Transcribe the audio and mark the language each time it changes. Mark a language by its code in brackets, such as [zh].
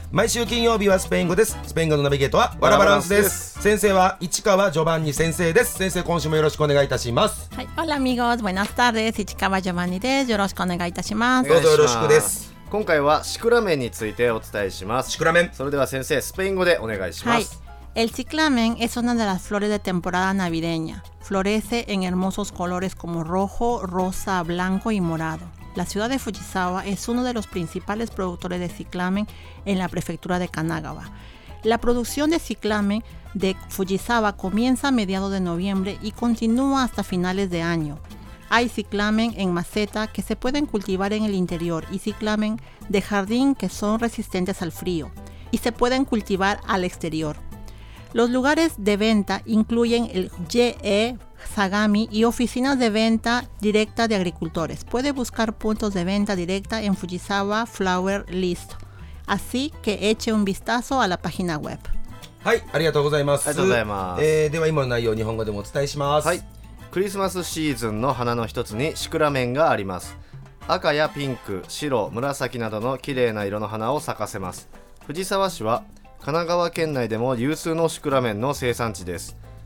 [ja] 毎週金曜日はスペイン語です。スペイン語のナビゲートはワラバランスです。先生は市川ジョバンニ先生です。先生、今週もよろしくお願いいたします。はい、 [es] オラミゴーズ、ボイナスター [ja] です。市川ジョバンニです。よろしくお願いいたします。どうぞよろしくです。今回はシクラメンについてお伝えします。シクラメン、それでは先生、スペイン語でお願いします。はい、 [es] El chiclamen es una de las flores de temporada navideña. Florece en hermosos colores como rojo, rosa, blanco y morado. La ciudad de Fujisawa es uno de los principales productores de chiclamen en la prefectura de Kanagawa. La producción de chiclamen de Fujisawa comienza a mediados de noviembre y continúa hasta finales de año. Hay chiclamen en maceta que se pueden cultivar en el interior y chiclamen de jardín que son resistentes al frío y se pueden cultivar al exterior. Los lugares de venta incluyen el GE Sagami y oficinas de venta directa de agricultores. Puede buscar puntos de venta directa en Fujisawa Flower List. Así que eche un vistazo a la página web. [ja] はい、ありがとうございます。ありがとうございます。では今の内容を日本語でもお伝えします。はい。クリスマスシーズンの花の一つにシクラメンがあります。赤やピンク、白、紫などの綺麗な色の花を咲かせます。藤沢市は神奈川県内でも有数のシクラメンの生産地です。